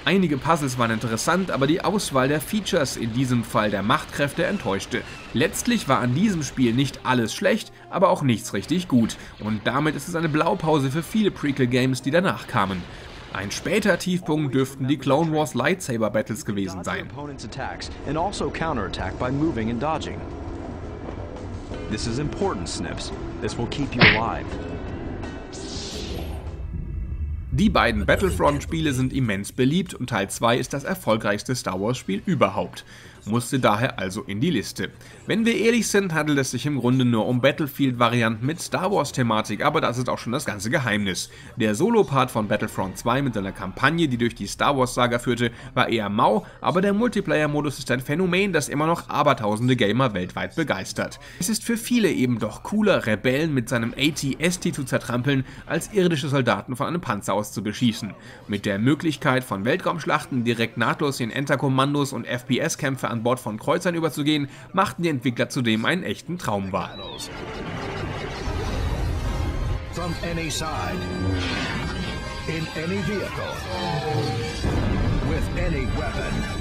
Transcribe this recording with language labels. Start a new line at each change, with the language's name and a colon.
German: Einige Puzzles waren interessant, aber die Auswahl der Features, in diesem Fall der Machtkräfte, enttäuschte. Letztlich war an diesem Spiel nicht alles schlecht, aber auch nichts richtig gut. Und damit ist es eine Blaupause für viele Prequel-Games, die danach kamen. Ein später Tiefpunkt dürften die Clone Wars Lightsaber Battles gewesen sein.
English: And also counterattack by moving and dodging. This is important, Snips. This will keep you alive.
German: Die beiden Battlefront-Spiele sind immens beliebt und Teil 2 ist das erfolgreichste Star Wars-Spiel überhaupt. Musste daher also in die Liste. Wenn wir ehrlich sind, handelt es sich im Grunde nur um Battlefield-Varianten mit Star Wars-Thematik, aber das ist auch schon das ganze Geheimnis. Der Solo-Part von Battlefront 2 mit seiner Kampagne, die durch die Star Wars-Saga führte, war eher mau, aber der Multiplayer-Modus ist ein Phänomen, das immer noch abertausende Gamer weltweit begeistert. Es ist für viele eben doch cooler, Rebellen mit seinem AT-ST zu zertrampeln, als irdische Soldaten von einem Panzer aus zu beschießen. Mit der Möglichkeit von Weltraumschlachten direkt nahtlos in Enterkommandos und FPS-Kämpfe an Bord von Kreuzern überzugehen, machten die Entwickler zudem einen echten Traum wahr.
English: From any side, in any vehicle, with any weapon.